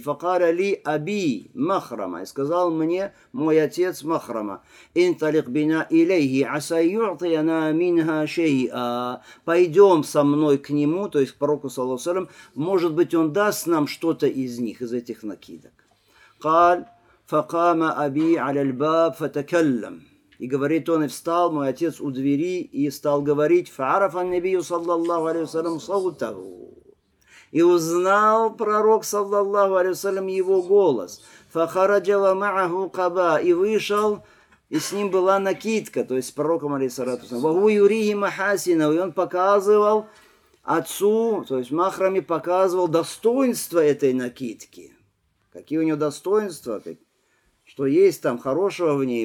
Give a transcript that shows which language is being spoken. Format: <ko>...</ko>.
<ar>Факара ли Аби Махрама,</ar> <ru>и сказал мне мой отец Махрама:</ru> <ar>инталик бина илейхи аса юртияна минха шейа,</ar> <ru>пойдем со мной к нему, то есть к пророку саллаллаху алейхи вассалям, может быть, он даст нам что-то из них, из этих накидок.</ru> <ar>Каль فقام ابي على الباب فتكلم,</ar> <ru>и говорит он, и встал мой отец у двери и стал говорить.</ru> <ar>فعرف النبي صلى الله عليه وسلم صوته,</ar> <ru>и узнал пророк</ru> <ar>صلى الله عليه وسلم</ar> <ru>его голос.</ru> <ar>فخرج معه قباء,</ar> <ru>и вышел, и с ним была накидка, то есть пророком алейхиссалату вассалям.</ru> <ar>وهو يريه محاسنه,</ar> <ru>и он показывал отцу, то есть махраме, показывал достоинства этой накидки, какие у него достоинства, что есть там хорошего в ней.</ru>